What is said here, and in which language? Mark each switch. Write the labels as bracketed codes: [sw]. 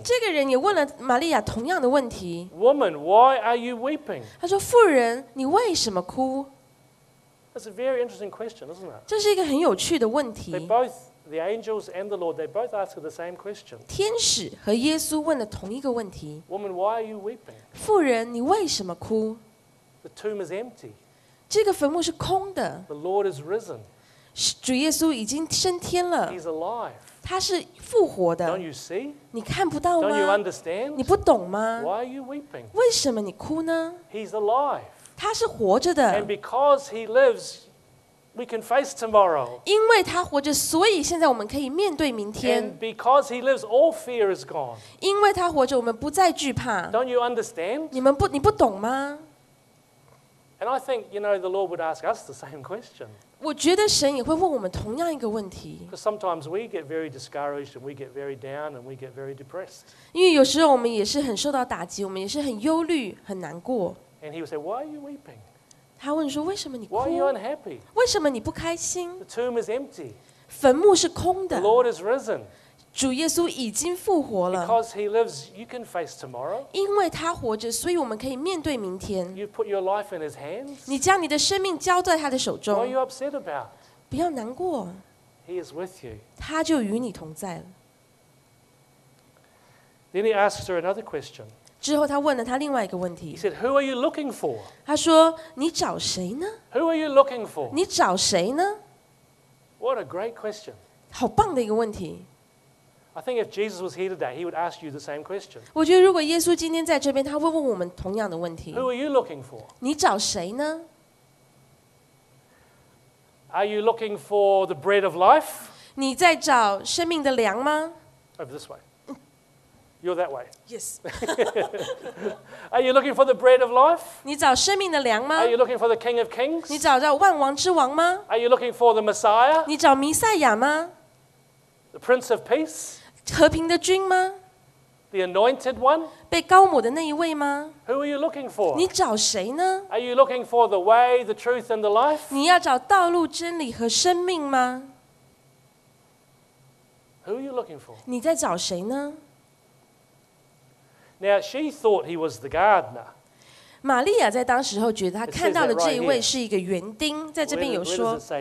[zh] 这个人也问了玛利亚同样的问题 [en] Woman, why are you weeping? [zh] 她说妇人你为什么哭 [en] That's a very interesting question, isn't it? [zh] 这是一个很有趣的问题 [en] They both, the angels and the Lord, they both ask the same question. [zh] 天使和耶稣问了同一个问题 [en] Woman, why are you weeping? [zh] 妇人你为什么哭 [en] The tomb is empty. [zh] 这个坟墓是空的 [en] The Lord is risen. [zh] 主耶稣已经升天了 [en] He's alive. [zh] 他是复活的 [en] Don't you see? [zh] 你看不到吗 [en] Don't you understand? [zh] 你不懂吗 [en] Why are you weeping? [zh] 为什么你哭呢 [en] He's alive. [zh] 他是活着的 [en] And because he lives, we can face tomorrow. [zh] 因为他活着所以现在我们可以面对明天 [en] And because he lives, all fear is gone. [zh] 因为他活着我们不再惧怕 [en] Don't you understand? [zh] 你不懂吗 [en] And I think, you know, the Lord would ask us the same question. [zh] 我觉得神也会问我们同样一个问题。 [en] Because sometimes we get very discouraged and we get very down and we get very depressed. [zh] 因为有时候我们也是很受到打击，我们也是很忧虑、很难过。 [en] And he would say, "Why are you weeping?" [zh] 他问说，为什么你哭 [en] ？Why are you unhappy? [zh] 为什么你不开心 [en] ？The tomb is empty. [zh] 坟墓是空的。 [en] The Lord is risen. [zh] 主耶稣已经复活了。 [en] Because he lives, you can face tomorrow. [zh] 因为他活着，所以我们可以面对明天。 [en] You put your life in his hands. [zh] 你将你的生命交在他的手中。 [en] What are you upset about? [zh] 不要难过。 [en] He is with you. [zh] 他就与你同在了。 [en] Then he asked her another question. [zh] 之后他问了他另外一个问题。 [en] He said, "Who are you looking for?" [zh] 他说，你找谁呢 [en] ？Who are you looking for? [zh] 你找谁呢 [en] ？What a great question. [zh] 好棒的一个问题。 [en] I think if Jesus was here today, he would ask you the same question. [zh] 我觉得如果耶稣今天在这边，他会问我们同样的问题。 [en] Who are you looking for? [zh] 你找谁呢 [en] ？Are you looking for the bread of life? [zh] 你在找生命的粮吗 [en] ？Over this way. You're that way. Yes. Are you looking for the bread of life? [zh] 你找生命的粮吗 [en] ？Are you looking for the King of Kings? [zh] 你找到万王之王吗 [en] ？Are you looking for the Messiah? [zh] 你找弥赛亚吗？ [en] The Prince of Peace? [zh] 和平的君吗 [en] ？The Anointed One? [zh] 被高抹的那一位吗 [en] ？Who are you looking for? [zh] 你找谁呢 [en] ？Are you looking for the way, the truth, and the life? [zh] 你要找道路、真理和生命吗 [en] ？Who are you looking for? [zh] 你在找谁呢 [en] ？Now she thought he was the gardener. [zh] 玛利亚在当时候觉得她看到的这一位是一个园丁，在这边有说。